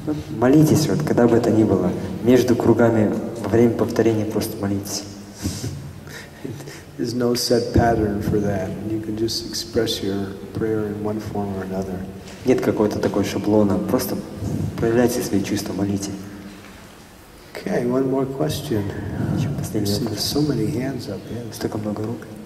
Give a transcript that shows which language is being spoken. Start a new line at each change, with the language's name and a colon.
Russian: Молитесь вот когда бы это ни было между кругами во время повторения просто молитесь.
English: There's no set pattern for that. You can just express your prayer in one form or another.
Russian: Нет какого-то такой шаблона. Просто проявляйте свои чувства, молите.
English: Okay, one more question.
Russian: Еще последний вопрос.
English: There's so many hands up. Yes.
Russian: Столько много рук.